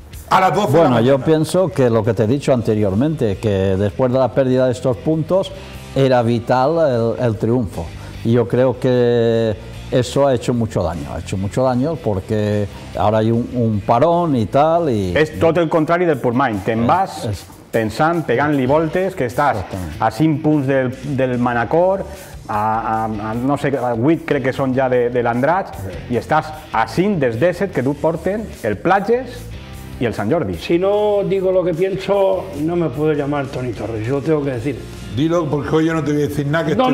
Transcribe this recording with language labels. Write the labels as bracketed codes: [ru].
[es] A las 12. Bueno, la yo pienso que lo que te he dicho anteriormente, que después de la pérdida de estos puntos, era vital el triunfo, y yo creo que eso ha hecho mucho daño, porque ahora hay un parón y tal. Y es todo el contrario del Portmany. [ca] Te'n vas pensant, pegant-li voltes, que estàs a 5 punts del Manacor, a no sé, a 8 crec que són ja de l'Andratx, i estàs a 5 dels 17 que tu porten el Platges i el Sant Jordi. [es] Si no digo lo que pienso, no me puedo llamar Toni Torres, yo tengo que decir. Dilo, porque hoy yo no te voy a decir nada, que estoy